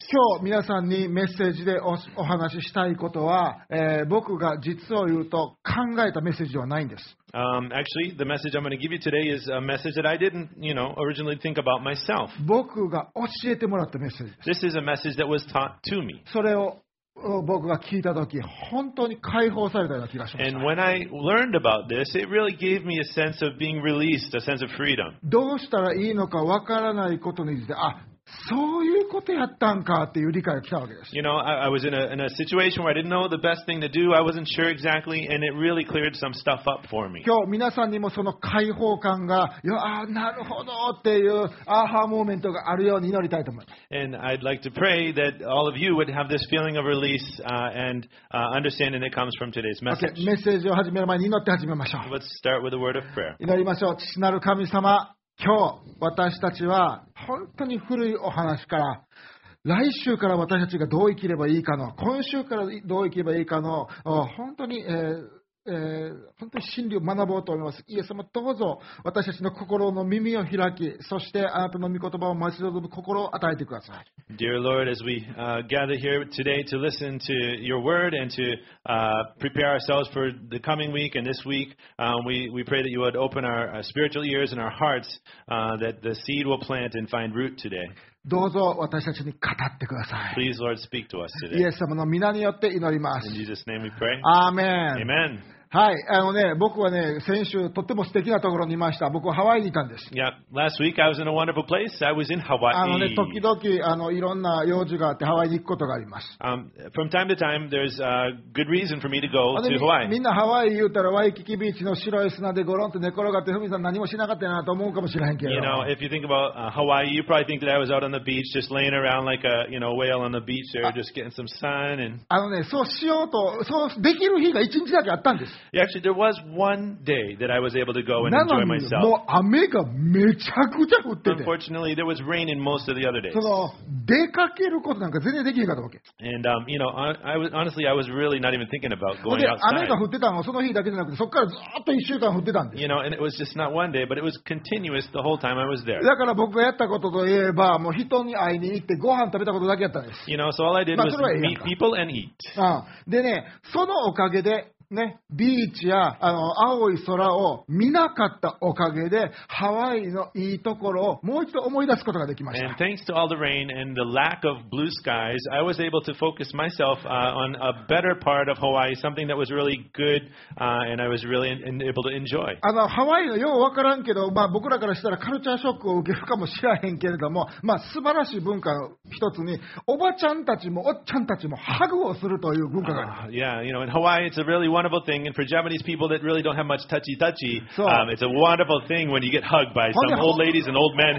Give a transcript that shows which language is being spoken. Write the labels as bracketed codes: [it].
[ja] 今日皆さんにメッセージで お話ししたいことは、僕が実を言うと考えたメッセージはないんです。 [en] Actually, the message I'm going to give you today is a message that I didn't, you know, originally think about myself. [ja] 僕が教えてもらったメッセージです。 [en] This is a message that was taught to me. [ja] それを僕が聞いたとき本当に解放されたような気がしました。 [en] And when I learned about this, it really gave me a sense of being released, a sense of freedom. [ja] どうしたらいいのかわからないことについて、あ、そういうことやったんかっていう理解が来たわけです。 [en] You know, I was in a situation where I didn't know the best thing to do. I wasn't sure exactly, and it really cleared some stuff up for me. [ja] 今日皆さんにもその解放感が、あ、なるほどっていうアハモーメントがあるように祈りたいと思います。 [en] And I'd like to pray that all of you would have this feeling of release and understanding that comes from today's message. [ja] Okay, メッセージを始める前に祈って始めましょう。 [en] Let's start with a word of prayer. [ja] 祈りましょう。父なる神様、今日私たちは本当に古いお話から、来週から私たちがどう生きればいいかの、今週からどう生きればいいかの、本当に、本当に真理を学ぼうと思います。イエス様、どうぞ私たちの心の耳を開き、そしてあなたの御言葉を待ち望む心を与えてください。 [en] Dear Lord, as we gather here today to listen to your word and to prepare ourselves for the coming week and this week, we pray that you would open our spiritual ears and our hearts that the seed will plant and find root today. [ja] どうぞ私たちに語ってください。 [en] Please, Lord, speak to us today. [ja] イエス様の御名によって祈ります。 [en] In Jesus' name we pray. Amen. Amen. [ja] はい、あのね、僕はね、先週とっても素敵なところにいました。僕はハワイにいたんです。 [en] Yeah, last week I was in a wonderful place. I was in Hawaii. [ja] あのね、時々いろんな用事があってハワイに行くことがあります。 [en] From time to time, there's a good reason for me to go to Hawaii. [ja] みんなハワイ言うたらワイキキビーチの白い砂でゴロンと寝転がってフミさん何もしなかったなと思うかもしれへんけど。 [en] You know, if you think about Hawaii, you probably think that I was out on the beach, just laying around like a, you know, whale on the beach there, just getting some sun and. [ja] あのね、そうしようと、そうできる日が一日だけあったんです。 [en] Actually, there was one day that I was able to go and enjoy myself. [ja] もう雨がめちゃくちゃ降ってて。 [en] Unfortunately, there was rain in most of the other days. [ja] その出かけることなんか全然できなかったわけ。 [en] And you know, honestly, I was really not even thinking about going outside. [ja] 雨が降ってたのその日だけじゃなくて、そこからずっと一週間降ってたんです。 [en] You know, and it was just not one day, but it was continuous the whole time I was there. [ja] だから僕がやったことといえば、もう人に会いに行ってご飯食べたことだけやったんです。 [en] You know, so all I did was meet people and eat. [ja] でね、そのおかげで。ね、ビーチや青い空を見なかったおかげでハワイのいいところをもう一度思い出すことができました。 [en] And thanks to all the rain and the lack of blue skies, I was able to focus myself on a better part of Hawaii, something that was really good, and I was really able to enjoy. [ja] ハワイのようわからんけど、まあ、僕らからしたらカルチャーショックを受けるかもしれへんけれども、まあ、素晴らしい文化の一つにおばちゃんたちもおっちゃんたちもハグをするという文化がある。 [en] Yeah, you know, in Hawaii, it's a reallyWonderful thing, and for Japanese people that really don't have much touchy-touchy, it's a wonderful thing when you get hugged by some old ladies and old men.